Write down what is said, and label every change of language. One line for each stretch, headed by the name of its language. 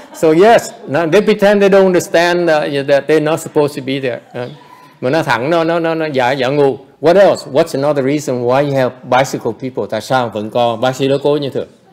English: So yes, now they pretend they don't understand that they're not supposed to be there.
Vietnamese: Mà nó thẳng, nó giả giả ngu.
English: What else? What's another reason why you have bicycle people?
Vietnamese: Tại sao vẫn có bicycle cô như thường?